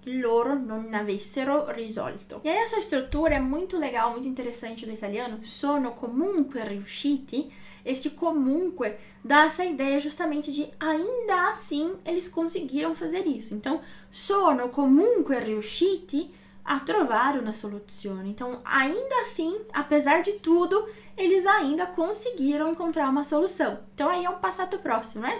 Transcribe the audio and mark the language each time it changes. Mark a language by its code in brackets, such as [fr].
[it] Loro non avessero risolto. [pt] E aí essa estrutura é muito legal, muito interessante do italiano. [it] Sono comunque riusciti. [pt] Esse comunque dá essa ideia justamente de ainda assim eles conseguiram fazer isso. [it] Então, sono comunque riusciti a trovare una soluzione. [pt] Então, ainda assim, apesar de tudo, eles ainda conseguiram encontrar uma solução. Então, aí é um passato próximo, né?